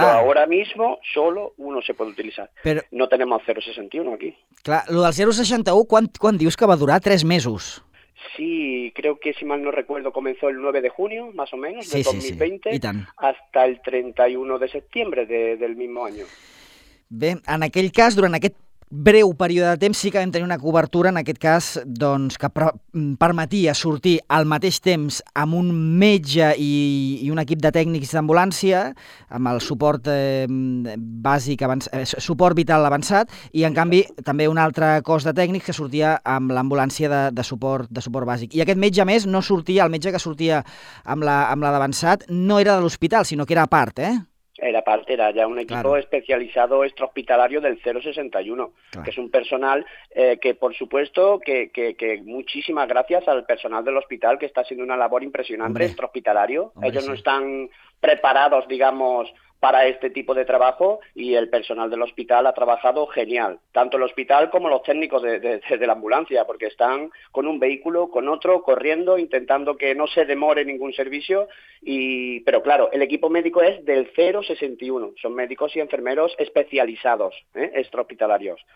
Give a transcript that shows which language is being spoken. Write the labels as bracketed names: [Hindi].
[Spanish] Però ara mismo solo uno se puede utilizar. [Catalan] Però [Spanish] no tenemos el 061 aquí. [Catalan] Clar, lo del 061, quan dius que va durar 3 mesos? [Spanish] Sí, creo que si mal no recuerdo comenzó el 9 de junio, más o menos, sí, de 2020, sí, sí. Hasta el 31 de septiembre del mismo año. [Catalan] Bé, en aquell cas, durant aquest breu període de temps, sí que vam tenir una cobertura, en aquest cas, doncs, que permetia sortir al mateix temps amb un metge i un equip de tècnics d'ambulància, amb el suport bàsic, suport vital avançat, i en canvi també un altre cos de tècnics que sortia amb l'ambulància de suport bàsic. I aquest metge, a més, no sortia, el metge que sortia amb la d'avançat, no era de l'hospital, sinó que era a part, eh? [Spanish] Era parte, era ya un equipo, claro, especializado extrahospitalario del 061, claro, que es un personal que, por supuesto, que muchísimas gracias al personal del hospital, que está haciendo una labor impresionante, hombre, extrahospitalario. Hombre, ellos sí, no están preparados, digamos, para este tipo de trabajo, y el personal del hospital ha trabajado genial, tanto el hospital como los técnicos de la ambulancia, porque están con un vehículo, con otro, corriendo, intentando que no se demore ningún servicio, pero claro, el equipo médico es del 061, son médicos y enfermeros especializados, extrahospitalarios,